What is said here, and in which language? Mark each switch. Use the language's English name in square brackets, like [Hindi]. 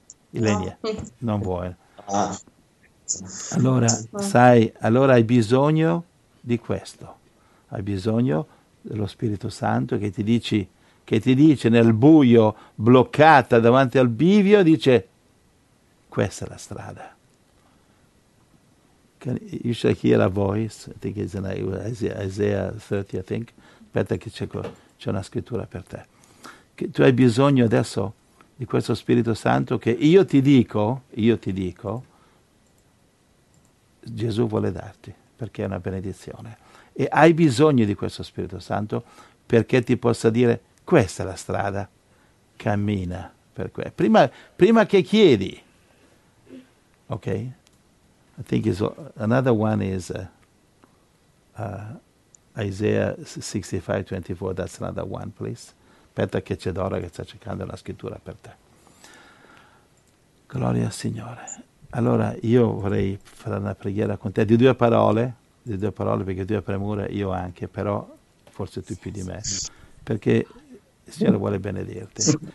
[Italian] Ilenia, no. Non vuoi. Allora, sai, allora hai bisogno di questo. Hai bisogno dello Spirito Santo che ti dice nel buio, bloccata davanti al bivio, dice... Questa è la strada. [English] Can you should hear a voice? I think it's in Isaiah 30, I think. [Italian] Aspetta che c'è una scrittura per te. Che tu hai bisogno adesso di questo Spirito Santo che io ti dico, Gesù vuole darti, perché è una benedizione. E hai bisogno di questo Spirito Santo perché ti possa dire, questa è la strada, cammina per questo. Prima che chiedi, [English] okay, I think it's another one is Isaiah 65:24. That's another one, please. [Italian] Aspetta che c'è Dora che sta cercando la scrittura per te. Gloria al Signore. Allora io vorrei fare una preghiera con te di due parole, perché tu hai premura, io anche, però forse tu più di me, perché il Signore vuole benedirti.